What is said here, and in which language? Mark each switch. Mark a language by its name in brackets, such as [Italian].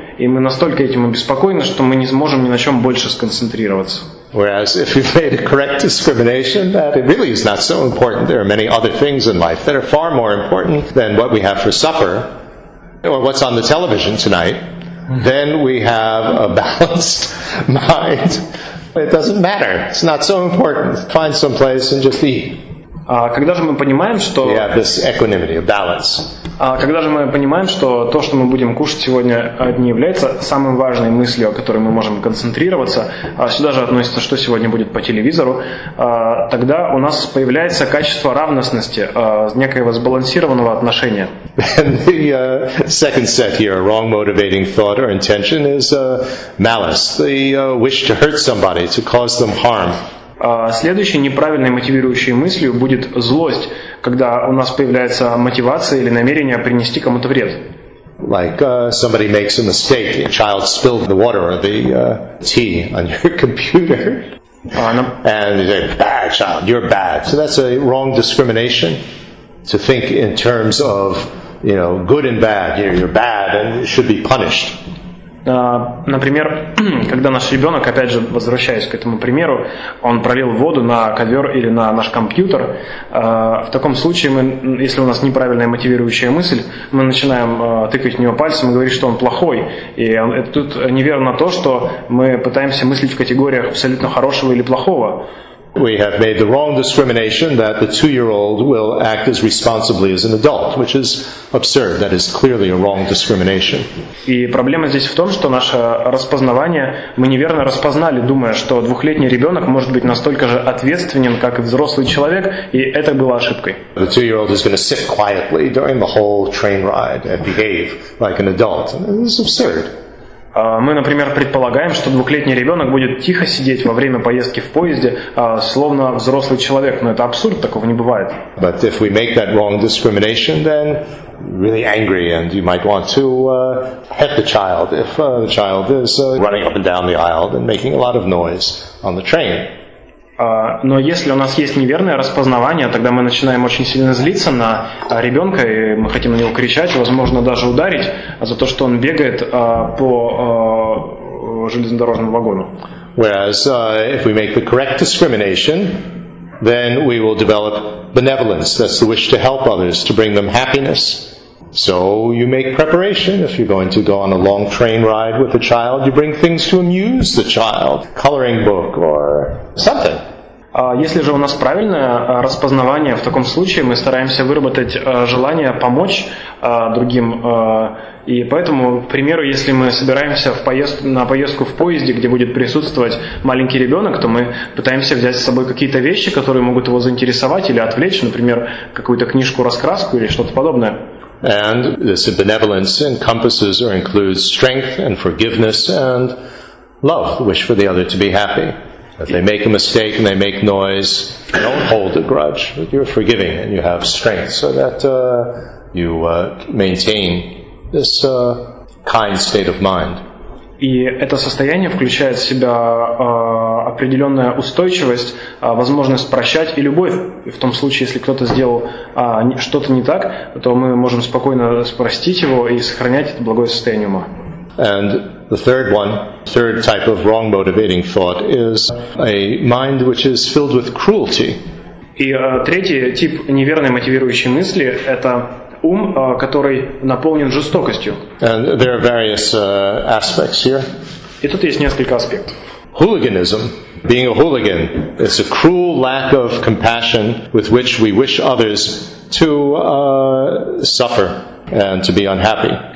[Russian] И мы настолько этим обеспокоены, что мы не сможем ни на чем больше сконцентрироваться. [English] Whereas if you've made a correct discrimination, that it really is not so important. There are many other things in life that are far more important than what we have for supper. Or what's on the television tonight, then we have a balanced mind. It doesn't matter. It's not so important. Find some place and just eat. [Russian] Когда же мы понимаем, что... [English] Yeah, this equanimity, balance. [Russian] Когда же мы понимаем, что то, что мы будем кушать сегодня, не является самой важной мыслью, о которой мы можем концентрироваться, сюда же относится, что сегодня будет по телевизору, тогда у нас появляется качество равностности, некоего сбалансированного отношения. [English] And the second set here, wrong motivating thought or intention, is malice, the wish to hurt somebody, to cause them harm. [Russian] Следующей неправильной мотивирующей мыслью будет злость, когда у нас появляется мотивация или намерение принести кому-то вред. [English] Like somebody makes a mistake, a child spilled the water or the tea on your computer, and you say, bad child, you're bad. So that's a wrong discrimination to think in terms of, you know, good and bad. You're bad and you should be punished. [Russian] Например, когда наш ребенок, опять же, возвращаясь к этому примеру, он пролил воду на ковер или на наш компьютер, в таком случае, мы, если у нас неправильная мотивирующая мысль, мы начинаем тыкать в него пальцем и говорить, что он плохой. И это тут неверно то, что мы пытаемся мыслить в категориях абсолютно хорошего или плохого. [English] We have made the wrong discrimination that the two-year-old will act as responsibly as an adult, which is absurd. That is clearly a wrong discrimination. [Russian] И проблема здесь в том, что наше распознавание мы неверно распознали, думая, что двухлетний ребенок может быть настолько же ответственен, как и взрослый человек, и это было ошибкой. [English] The two-year-old is going to sit quietly during the whole train ride and behave like an adult. This is absurd. [Russian] Мы, например, предполагаем, что двухлетний ребенок будет тихо сидеть во время поездки в поезде, словно взрослый человек. Но это абсурд, такого не бывает. [English] But if we make that wrong discrimination, then really angry, and you might want to hit the child if the child is running up and down the aisle and making a lot of noise on the train. [Russian] Но если у нас есть неверное распознавание, тогда мы начинаем очень сильно злиться на ребенка, и мы хотим на него кричать, возможно, даже ударить за то, что он бегает по железнодорожному вагону. [English] Whereas if we make the correct discrimination, then we will develop benevolence. That's the wish to help others, to bring them happiness. So you make preparation. If you're going to go on a long train ride with a child, you bring things to amuse the child. Coloring book or something. [Russian] Если же у нас правильное распознавание, в таком случае мы стараемся выработать желание помочь другим. И поэтому, к примеру, если мы собираемся на поездку в поезде, где будет присутствовать маленький ребенок, то мы пытаемся взять с собой какие-то вещи, которые могут его заинтересовать или отвлечь, например, какую-то книжку-раскраску или что-то подобное. [English] And this benevolence encompasses or includes strength and forgiveness and love, the wish for the other to be happy. If they make a mistake and they make noise, you don't hold a grudge. You're forgiving and you have strength so that you maintain this kind state of mind. [Russian] И это состояние включает в себя определенная устойчивость, возможность прощать и любовь. И в том случае, если кто-то сделал что-то не так, то мы можем спокойно простить его и сохранять это благое состояние ума. [English] And the third one, third type of wrong motivating thought is a mind which is filled with cruelty. [Russian] И третий тип неверной мотивирующей мысли – это ум, который наполнен жестокостью. [English] And there are various aspects here. [Russian] И тут есть несколько аспектов. [English] Hooliganism, being a hooligan, is a cruel lack of compassion with which we wish others to suffer and to be unhappy.